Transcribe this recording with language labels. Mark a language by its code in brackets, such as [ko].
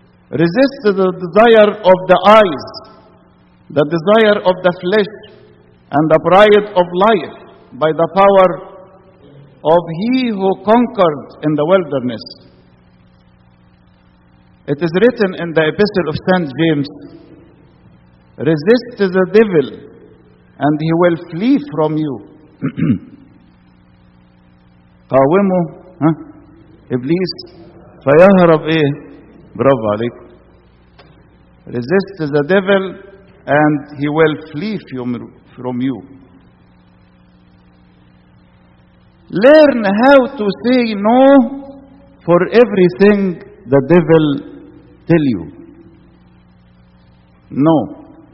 [en] Resist the desire of the eyes, the desire of the flesh, and the pride of life by the power of he who conquered in the wilderness. It is written in the Epistle of St. James, resist the devil, and he will flee from you. [ar] قاومه إبليس فيهرب إيه؟ برافو عليك. [en] Resist the devil, and he will flee from you. Learn how to say no for everything the devil tell you. No.